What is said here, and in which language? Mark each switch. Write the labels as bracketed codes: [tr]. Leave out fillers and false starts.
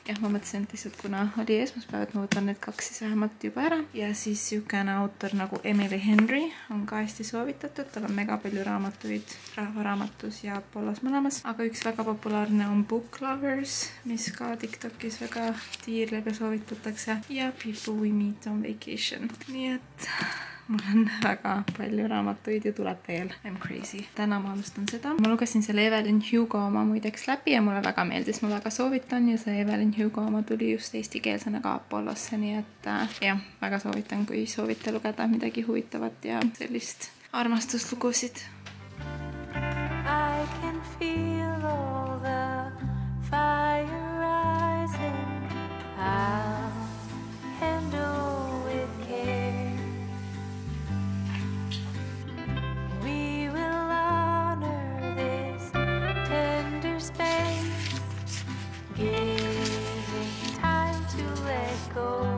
[et] Ja ma mõtlesin, et lihtsalt kuna oli esmaspäev, et ma võtan need 2 siis vähemalt juba ära. Ja siis siukene autor nagu Emily Henry on ka hästi soovitatud, tal on mega palju raamatuid raamatus ja pollas mõlemas. Aga üks väga populaarne on Book Lovers, mis ka TikTokis väga tiirleb ja soovitatakse. Ja People We Meet on Vacation. Nii et mul on väga palju raamatuid ja tuleb veel. [en] I'm crazy. [et] Täna ma alustan seda. Ma lugesin selle Evelyn Hugo oma muideks läbi ja mulle väga meeldis. Ma väga soovitan ja see Evelyn Hugo oma tuli just eesti keelsena ka Apollosse. Nii et jah, väga soovitan, kui soovite lugeda midagi huvitavat ja sellist armastuslugusid. [en] I can feel all the fire rising. I'll handle with care. We will honor this tender space, giving time to let go.